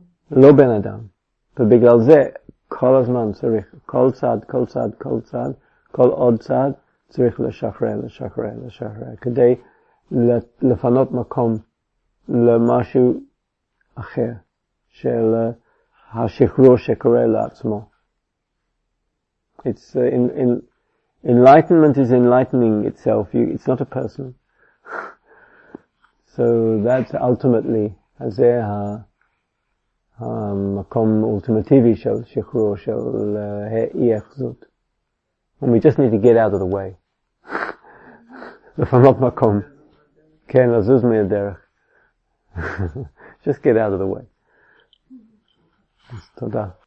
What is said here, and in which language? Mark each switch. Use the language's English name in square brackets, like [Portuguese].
[Hebrew] לא בן אדם. ובגלל זה כל הזמן צריך, כל צד, כל צד, כל צד, כל עוד צד, צריך לשחרר, לשחרר, לשחרר, כדי לפנות מקום למשהו אחר, של השחרור שקורה לעצמו. [English] It's enlightenment is enlightening itself. It's not a person. So that's ultimately, [Hebrew] זה המקום אולטימטיבי של שחרור, של אי-אחזות. [English] And we just need to get out of the way. [Hebrew] לפנות מקום. כן, לזוז מהדרך. [English] Just get out of the way. [Hebrew] תודה.